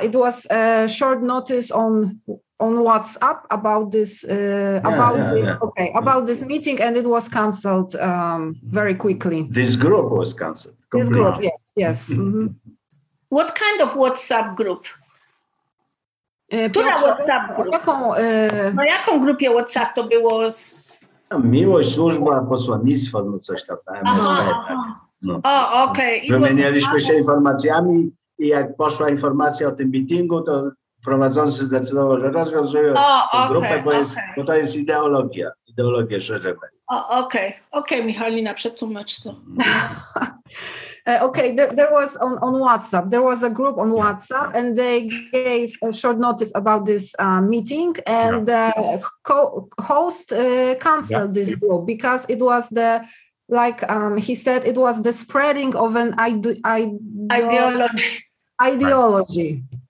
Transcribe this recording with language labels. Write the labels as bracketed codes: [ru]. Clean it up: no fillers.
[en] It was a short notice on WhatsApp about this this meeting, and it was cancelled very quickly. This group was cancelled. This group, yes. Mm-hmm. What kind of WhatsApp group? [pl] Która WhatsApp group? Jaką grupie WhatsApp to było? Z... Miłość, służba, posłannictwo, no coś tam. No. O, okej. [en] Okay. [pl] Wymienialiśmy się informacjami i jak poszła informacja o tym meetingu, to prowadzący zdecydował, że rozwiązują grupę, bo to jest ideologia. Ideologia szerzej. Okej, Michalina, przetłumacz to. [en] Okay, there was on WhatsApp. There was a group on WhatsApp, and they gave a short notice about this meeting, and the host canceled this group because it was the he said, it was the spreading of an ideology.